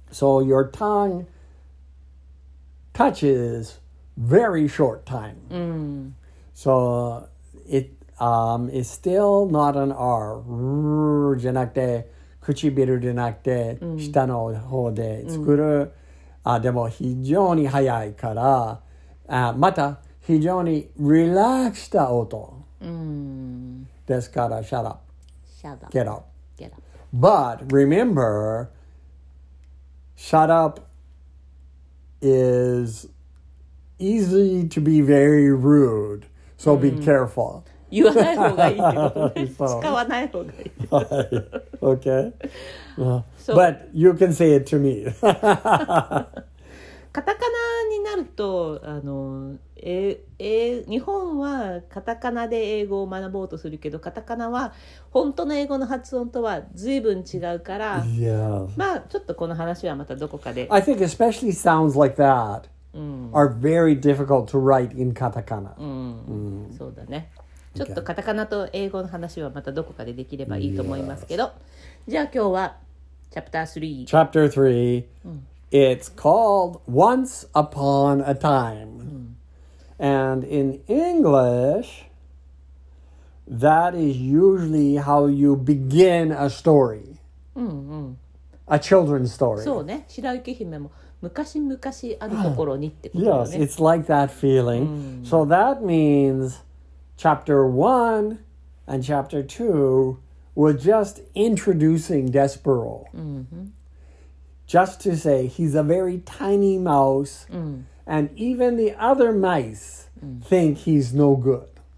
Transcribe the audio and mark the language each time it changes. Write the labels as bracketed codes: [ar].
[en] so your tongue touches very short time、so itis still not an R. [ja] R じゃなくて、唇じゃなくて、下の方で作る。でも非常に早いから、また非常にリラックスした音。ですから、 [en] shut up. Shut up. Get up. Get up. But remember, shut up is easy to be very rude. So be careful. [ja] 言わない方がいいってことね。使わない方がいい。 [en] はい。OK。 But you can say it to me. [ja] カタカナになるとあの、日本はカタカナで英語を学ぼうとするけど、カタカナは本当の英語の発音とは随分違うから、 [en] yeah. [ja] まあちょっとこの話はまたどこかで。 [en] I think especially sounds like that are very difficult to write in カタカナ。 [ja] そうだね。ちょっとカタカナと英語の話はまたどこかでできればいいと思いますけど、じゃあ今日はチャプター3。 [en] Chapter 3、It's called Once Upon a Time、And in English That is usually how you begin a story、A children's story [ja] そうね、白雪姫も昔々あるところにってことだね [en] Yes, it's like that feeling、So that meansChapter 1 and Chapter 2 were just introducing Despereaux. Just to say he's a very tiny mouse, and even the other mice think he's no good.